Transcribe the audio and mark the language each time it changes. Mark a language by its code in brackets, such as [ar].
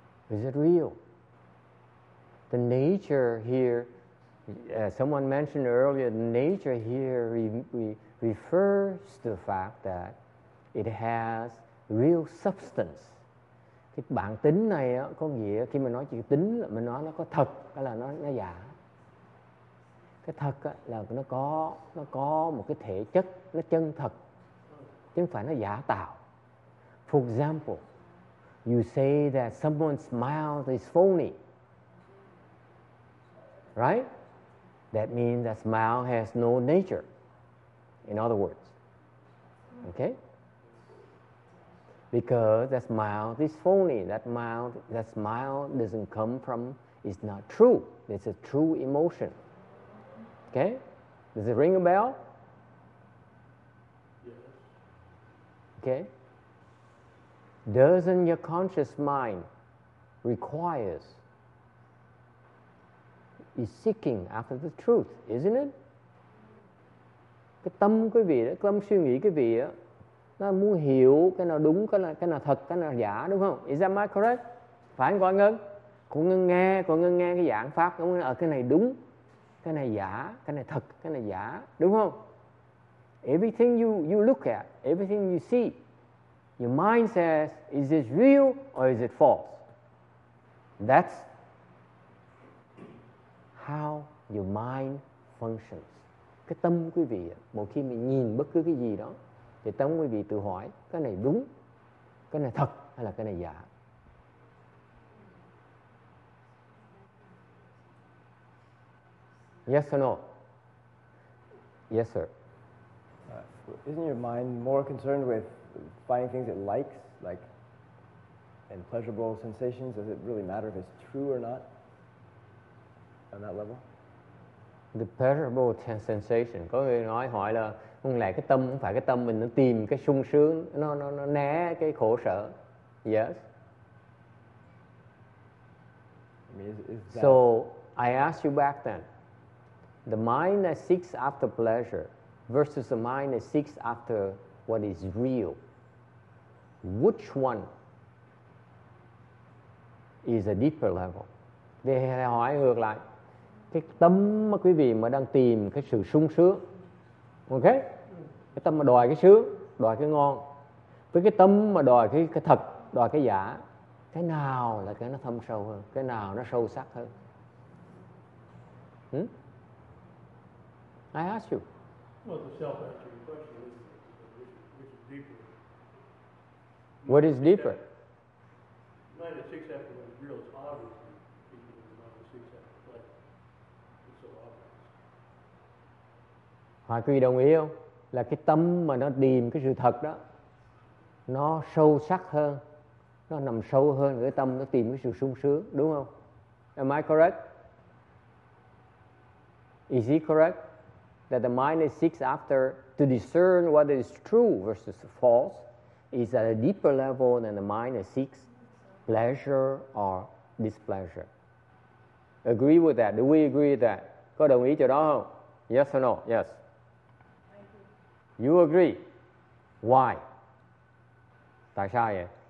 [en] Is it real? The nature here, as someone mentioned earlier, the nature here refers to the fact that it has real substance. [vi] Cái bản tính này có nghĩa khi mà nói chữ tính là mình nói nó có thật hay là nó giả. Cái thật là nó có một cái thể chất, nó chân thật, chứ không phải nó giả tạo. [en] For example, you say that someone's mouth is phony, right? That means that smile has no nature, in other words, okay? Because that smile is phony, that smile doesn't come from, it's not true, it's a true emotion. Okay? Does it ring a bell? Yes. Okay? Doesn't your conscious mind requires, is seeking after the truth, isn't it? [vi] Cái tâm quý vị, cái tâm suy nghĩ quý vị, nó muốn hiểu cái nào đúng, cái nào thật, cái nào giả, đúng không? [en] Is that my correct? [vi] Phải không, Quang Ngân nghe cái giảng pháp, đúng không? Cái này đúng. Cái này giả, cái này thật, cái này giả, đúng không? [en] Everything you look at, everything you see, your mind says, is this real or is it false? That's how your mind functions. [vi] Cái tâm quý vị, một khi mình nhìn bất cứ cái gì đó, thì tâm quý vị tự hỏi, cái này đúng, cái này thật hay là cái này giả? [en] Yes or no? Yes, sir. Isn't your mind more concerned with finding things it likes, like, and pleasurable sensations? Does it really matter if it's true or not on that level? The pleasurable sensation. [vi] Có người nói hỏi là không lẽ cái tâm không phải cái tâm mình nó tìm cái sung sướng, nó né cái khổ sở. [en] Yes. I mean, is that... So I asked you back then. The mind that seeks after pleasure versus the mind that seeks after what is real, which one is a deeper level? [vi] Thì hỏi ngược lại, cái tâm mà quý vị mà đang tìm cái sự sung sướng, ok? Cái tâm mà đòi cái sướng, đòi cái ngon, với cái tâm mà đòi cái thật, đòi cái giả, cái nào là cái nó thâm sâu hơn, cái nào nó sâu sắc hơn? [en] I ask you. Well, the self-answering question is, which is deeper? What is deeper? Mind that seeks after what is real is obviously deeper than the mind that seeks after pleasure. It's so obvious. [vi] Hỏi quý vị đồng ý không? Là cái tâm mà nó tìm cái sự thật đó, nó sâu sắc hơn, nó nằm sâu hơn cái tâm nó tìm cái sự sung sướng, đúng không? [en] Am I correct? Is he correct? That the mind that seeks after to discern what is true versus false is at a deeper level than the mind that seeks pleasure or displeasure. Agree with that? Do we agree with that? [vi] Có đồng ý chỗ đó không? [en] Yes or no? Yes. You agree? Why? [vi] Tại sao vậy?